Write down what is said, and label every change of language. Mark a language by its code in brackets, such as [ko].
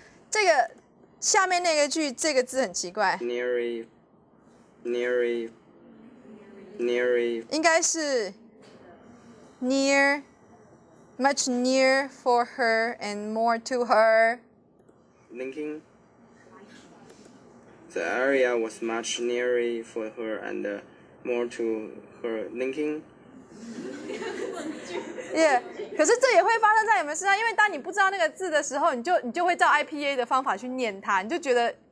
[zh] 这个下面那个句，这个字很奇怪。 [en] Nearly， [zh] 应该是 [en] near， much near for her and more to her linking， The area was much nearer for her and more to her linking. [zh] Yeah, 可是这也会发生在你们身上，因为当你不知道那个字的时候，你就会照 IPA 的方法去念它，你就觉得。